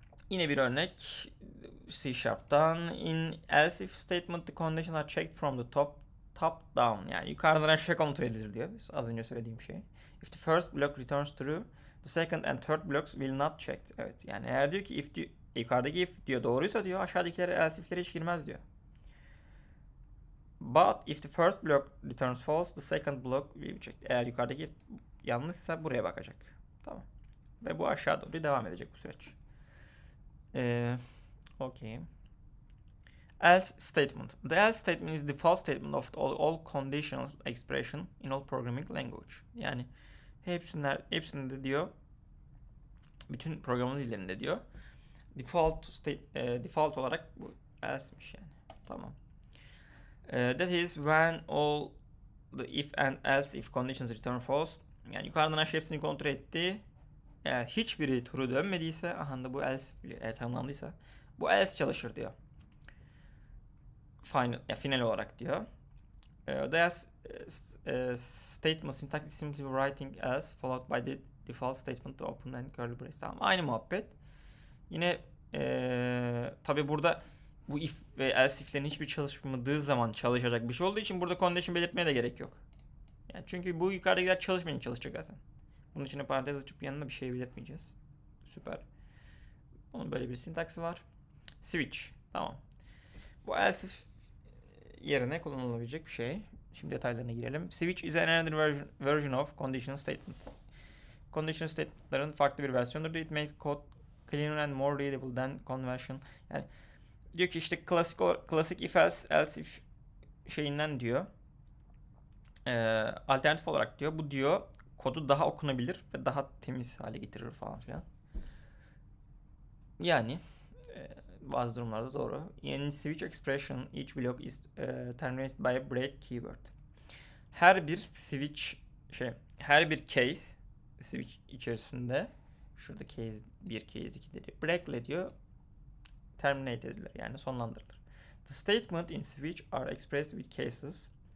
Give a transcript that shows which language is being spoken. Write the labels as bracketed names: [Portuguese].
[Turkish] Yine bir örnek C Sharp'tan [English] in else if statement the conditions are checked from the top down [Turkish] yani yukarıdan aşağı kontrol edilir diyor az önce söylediğim şey [English] if the first block returns true the second and third blocks will not checked [Turkish] evet yani eğer diyor ki yukarıdaki if diyor doğruysa diyor aşağıdakilere else if'lere hiç girmez diyor [English] but if the first block returns false the second block will be checked [Turkish] eğer yukarıdaki if yanlışsa buraya bakacak. Ve bu aşağı doğru devam edecek bu süreç. [English] Okay. Else statement. The else statement is the default statement of all conditional expression in all programming language. [Turkish] Yani hepsinde diyor. Bütün programın dillerinde diyor. Default olarak bu else'miş yani. Tamam. That is when all the if and else if conditions return false. Yani yukarıdan aşağı hepsini kontrol etti. Eğer hiçbiri true dönmediyse, aha da bu eğer tamamlandıysa, bu else çalışır diyor. Final olarak diyor. [English] The else statement syntax is simply writing else followed by the default statement open and curly brace. [Turkish] Tamam, aynı muhabbet. Yine tabi burada bu if ve else if'lerin hiçbir çalışmadığı zaman çalışacak bir şey olduğu için burada condition belirtmeye de gerek yok. Yani çünkü bu yukarıdakiler çalışmayınca çalışacak zaten. Bunun için parantez açıp yanına bir şey belirtmeyeceğiz. Süper. Bunun böyle bir sintaksi var. Switch. Tamam. Bu else if yerine kullanılabilecek bir şey. Şimdi detaylarına girelim. [English] Switch is another version of conditional statement. [Turkish] Conditional statement'ların farklı bir versiyonudur. [English] It makes code cleaner and more readable than conventional. [Turkish] Yani diyor ki işte klasik klasik if else if şeyinden diyor. Alternatif olarak diyor. Bu diyor kodu daha okunabilir ve daha temiz hale getirir falan filan. Yani bazı durumlarda doğru. [English] In switch expression each block is terminated by break keyword. [Turkish] Her bir switch şey her bir case switch içerisinde şurada case 1 case 2 dedi. Break ile diyor terminate edilir yani sonlandırılır. [English] The statement in switch are expressed with cases.